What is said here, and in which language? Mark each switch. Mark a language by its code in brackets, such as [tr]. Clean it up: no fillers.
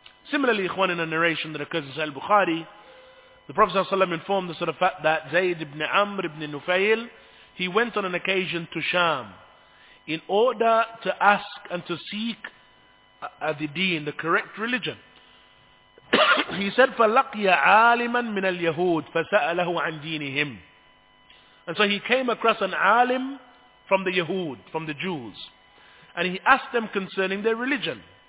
[en] Similarly, ikhwan, in a narration that occurs in Sahih al-Bukhari, the Prophet ﷺ informed us of the fact that Zayd ibn Amr ibn Nufayl, he went on an occasion to Sham in order to ask and to seek the deen, the correct religion. [ar] He said, فَلَقْيَ عَالِمًا مِنَ الْيَهُودِ فَسَأَلَهُ عَنْ دِينِهِمْ. [en] And so he came across an alim from the Yahud, from the Jews, and he asked them concerning their religion.